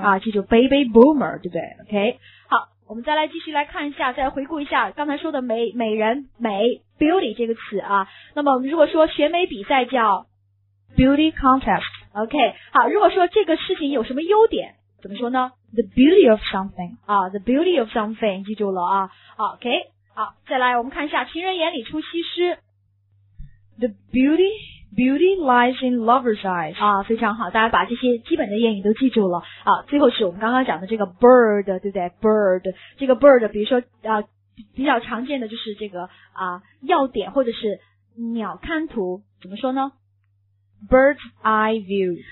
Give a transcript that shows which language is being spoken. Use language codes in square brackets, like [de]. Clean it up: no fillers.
[zh] 啊，这就 baby boomer 对不对 ？OK， 好，我们再来继续来看一下，再回顾一下刚才说的美人 beauty 这个词啊。那么我们如果说选美比赛叫 [en] beauty contest。 [zh] OK， 好，如果说这个事情有什么优点，怎么说呢 [en] ？The beauty of something [zh] 啊 ， [en] the beauty of something [zh] 记住了啊。 OK， 好，再来我们看一下情人眼里出西施。 [en] The beauty lies in lover's eyes. [zh] 啊，非常好，大家把这些基本的谚语都记住了。啊，最后是我们刚刚讲的这个 bird， 对不对 ？bird， 这个 bird， 比如说比较常见的就是这个要点或者是鸟瞰图，怎么说呢 [en] ？Bird's eye view.